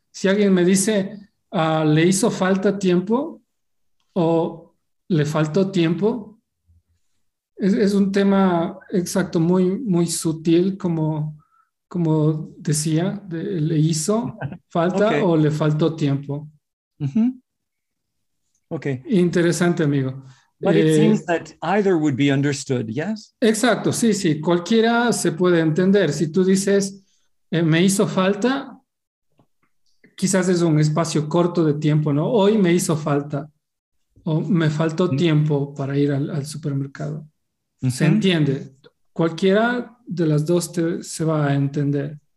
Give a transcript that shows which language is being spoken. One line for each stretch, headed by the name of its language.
Spanish: Si alguien me dice, le hizo falta tiempo o le faltó tiempo, es un tema exacto muy, muy sutil, como decía, le hizo falta okay. O le faltó tiempo.
English: Mm-hmm. Okay.
Spanish: Interesante, amigo.
English: But it seems that either would be understood, yes?
Spanish: Exacto, sí, sí. Cualquiera se puede entender. Si tú dices, me hizo falta, quizás es un espacio corto de tiempo, ¿no? Hoy me hizo falta. O me faltó tiempo para ir al supermercado. Mm-hmm. Se entiende. Cualquiera de las dos se va a entender.